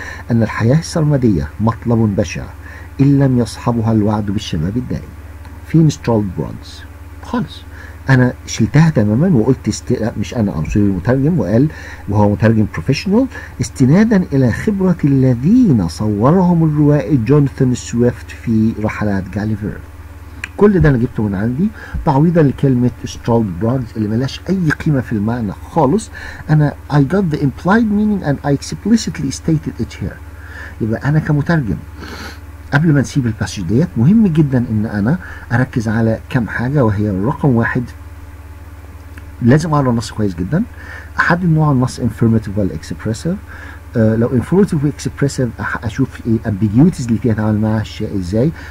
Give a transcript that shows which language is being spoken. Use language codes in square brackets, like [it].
[ar] أن الحياة السرمدية مطلب بشع إن لم يصحبها الوعد بالشباب الدائم فين Struldbrugs خالص أنا شلتها تماما وقلت مش أنا أنصر المترجم وقال وهو مترجم بروفيشنال استنادا إلى خبرة الذين صورهم الروائي جوناثان سويفت في رحلات جاليفر كل ده انا جبته من عندي تعويضا لكلمه strolled broads اللي ملاش اي قيمه في المعنى خالص. [en] انا I got the implied meaning and I explicitly stated it here. [ar] يبقى انا كمترجم قبل ما نسيب الباسج ديت مهم جدا ان انا اركز على كم حاجه، وهي رقم واحد لازم اقرا النص كويس جدا، احدد نوع النص affirmative ولا expressive. لو affirmative expressive اشوف ايه ambiguities اللي فيها اتعامل معها الشيء ازاي.